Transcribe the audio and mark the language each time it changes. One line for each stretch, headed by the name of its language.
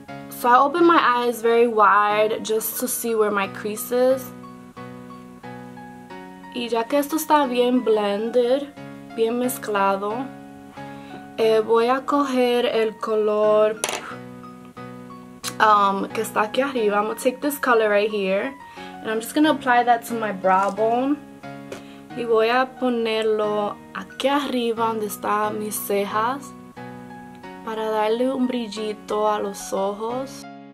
English: So I open my eyes very wide just to see where my crease is.
Spanish: Y ya que esto está bien blended, bien mezclado, voy a coger el color que está aquí arriba.
English: I'm gonna take this color right here. And I'm just going to apply that to my brow bone.
Spanish: Y voy a ponerlo aquí arriba donde están mis cejas. Para darle un brillito a los ojos.